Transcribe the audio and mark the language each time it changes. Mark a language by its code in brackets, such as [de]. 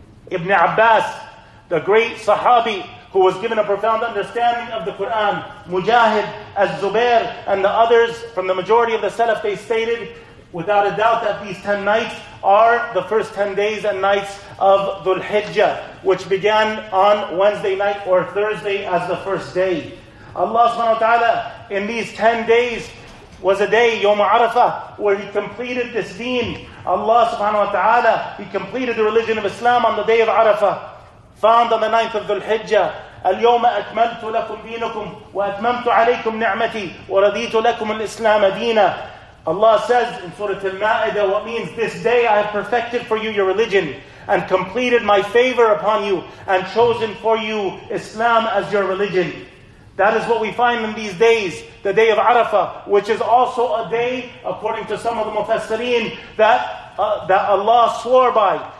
[en] Ibn Abbas, the great Sahabi, who was given a profound understanding of the Qur'an, Mujahid, Az-Zubair, and the others from the majority of the Salaf, they stated, without a doubt, that these 10 nights are the first 10 days and nights of Dhul-Hijjah, which began on Wednesday night or Thursday as the first day. Allah subhanahu wa ta'ala, in these 10 days, was a day, Yawm Arafah, where He completed this deen. Allah subhanahu wa ta'ala, He completed the religion of Islam on the day of Arafah, found on the 9th of Dhul-Hijjah. [ar] اليوم أكملت لكم دينكم وأتممت عليكم نعمتي ورضيت لكم الإسلام دينا. [en] Allah says in Surah Al-Ma'idah, what means, this day I have perfected for you your religion and completed my favor upon you and chosen for you Islam as your religion. That is what we find in these days, the day of Arafah, which is also a day, according to some of the Mufassireen, that Allah swore by.